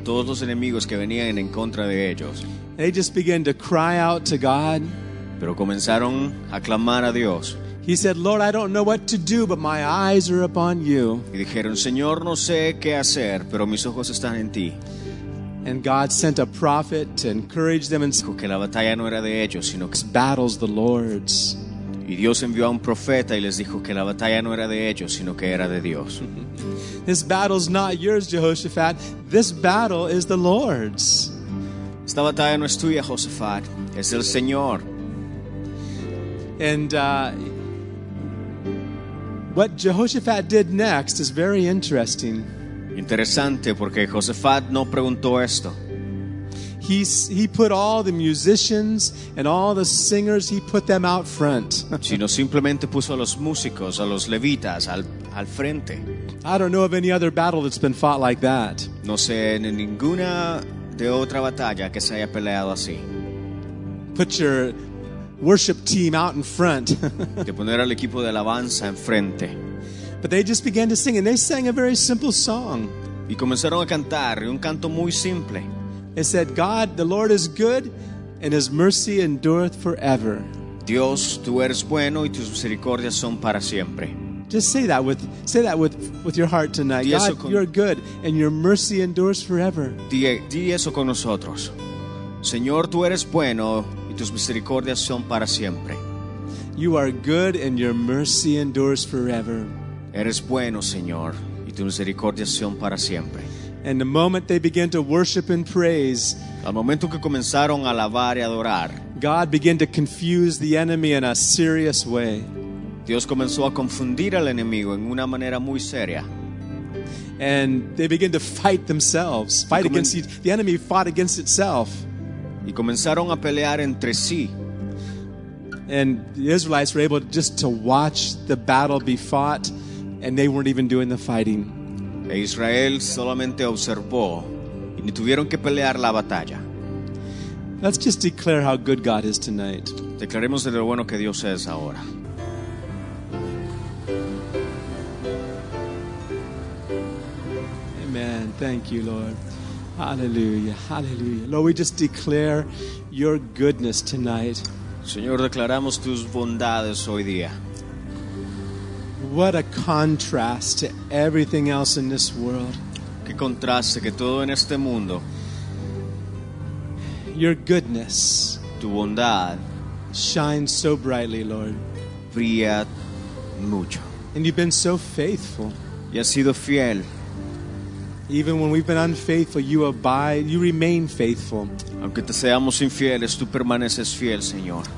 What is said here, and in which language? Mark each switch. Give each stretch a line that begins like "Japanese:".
Spanish: Todos los enemigos que venían en contra de ellos.
English: They just began to cry out to God.
Spanish: Pero comenzaron a clamar a Dios.
English: He said, "Lord, I don't know what to do, but my eyes are upon you."
Spanish: Y dijeron, "Señor, no sé qué hacer, pero mis ojos están en ti."
English: And God sent a prophet to encourage them.
Spanish: Dijo que la batalla no era de ellos, sino que
English: battles the Lord's.
Spanish: Y Dios envió a un profeta y les dijo que la batalla no era de ellos, sino que era de Dios.
English: This battle's not yours, Jehoshaphat. This battle is the Lord's.
Spanish: Esta batalla no es tuya, Josafat. Es el Señor.
English: And what Jehoshaphat did next is very interesting.
Spanish: Interesante, porque Josafat no preguntó esto.
English: He put all the musicians and all the singers, he put them out front.
Spanish: Sino simplemente puso a los músicos, a los levitas, al frente.
English: I don't know of any other battle that's been fought like that.
Spanish: No sé de ninguna de otra batalla que se haya peleado así.
English: Put your worship team out in front.
Spanish: De poner al equipo de alabanza enfrente.
English: But they just began to sing, and they sang a very simple song.
Spanish: Y comenzaron a cantar, un canto muy simple.
English: It said, "God, the Lord is good, and His mercy endureth forever."
Spanish: Dios, tú eres bueno, y tus misericordias son para siempre.
English: Just say that with your heart tonight. God, you're good, and your mercy endures forever.
Spanish: Di eso con nosotros. Señor, tú eres bueno, y tus misericordias son para siempre.
English: You are good, and your mercy endures forever.
Spanish: Eres bueno, Señor, y tu misericordia son para siempre.
English: And the moment they began to worship and praise,
Spanish: al momento que comenzaron a alabar y adorar,
English: God began to confuse the enemy in a serious way.
Spanish: Dios comenzó a confundir al enemigo en una manera muy seria.
English: And they began to fight themselves, the enemy fought against itself.
Spanish: Y comenzaron a pelear entre sí.
English: And the Israelites were able just to watch the battle be fought. And they weren't even doing the fighting.
Spanish: Israel solamente observó y ni tuvieron que pelear la batalla.
English: Let's just declare how good God is tonight.
Spanish: Declaremos de lo bueno que Dios es ahora.
English: Amen. Thank you, Lord. Hallelujah. Hallelujah. Lord, we just declare your goodness tonight.
Spanish: Señor, declaramos tus bondades hoy día.
English: What a contrast to everything else in this world.
Spanish: Qué contraste que todo en este mundo.
English: Your goodness,
Spanish: tu bondad,
English: shines so brightly, Lord.
Spanish: Brilla mucho.
English: And you've been so faithful.
Spanish: Y has sido fiel.
English: Even when we've been unfaithful, you remain faithful.
Spanish: Aunque te seamos infieles, tú permaneces fiel, Señor.